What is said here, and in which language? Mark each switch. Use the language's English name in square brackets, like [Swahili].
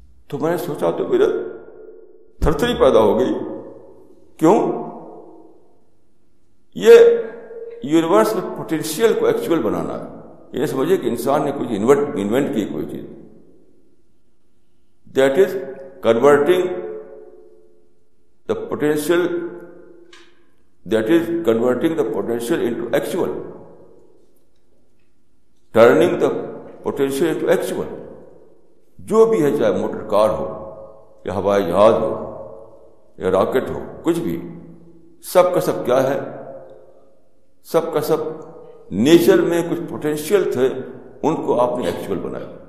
[Urdu] تو میں نے سوچا تو میرا تھر تھری پیدا ہو گئی، کیوں؟ یہ یونیورس میں پوٹینشیل کو ایکچوئل بنانا ہے. یہ سمجھے کہ انسان نے کچھ انوینٹ کی کوئی چیز، [English] That is converting the potential, that is converting the potential into actual, turning the potential into actual. [Urdu] جو بھی ہے, چاہے موٹر کار ہو یا ہوائی جہاز ہو یا راکٹ ہو, کچھ بھی, سب کا سب کیا ہے, سب کا سب نیچر میں کچھ پوٹینشیل تھے, ان کو آپ نے ایکچوئل بنایا.